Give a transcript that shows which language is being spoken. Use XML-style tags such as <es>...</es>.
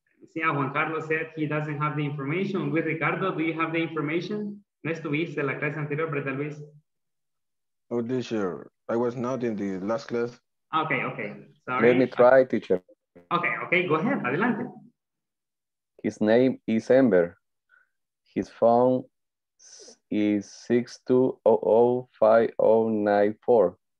<en>See, Juan Carlos said he doesn't have the information. With Ricardo, do you have the information?</en> <es>No estuviste en la clase anterior, pero tal vez.</es> <en>Oh, teacher, I was not in the last class. Okay, okay. Sorry. Let me try, teacher. Okay, okay, go ahead.</en> <es>Adelante.</es> <en>His name is Ember. His phone is 620-05094.</en>